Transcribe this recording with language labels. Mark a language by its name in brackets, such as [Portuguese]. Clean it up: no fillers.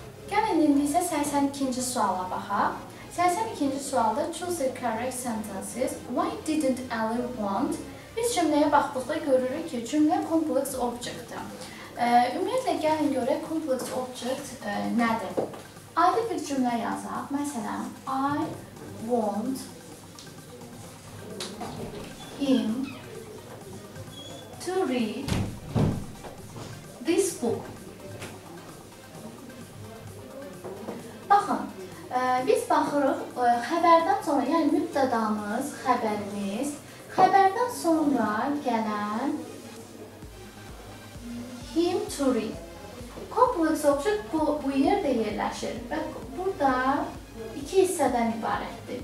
[Azerbaijani] Gəlin, indi isə 82-ci suala baxaq. 82-ci sualda [English] choose the correct sentences. Why didn't Ellie want? [Azerbaijani] Biz cümləyə baxdıqda görürük ki, cümlə complex objectdir. Ümumiyyətlə, gəlin görək, complex object nədir? Ayrı bir cümlə yazaq. Məsələn, [English] I want him to read this book. [Azerbaijani] Baxın, biz baxırıq xəbərdən sonra, yəni mübtədamız, xəbərimiz, xəbərdən sonra gələn him to read. Complex object bu yerdə yerləşir və burada iki hissədən ibarətdir.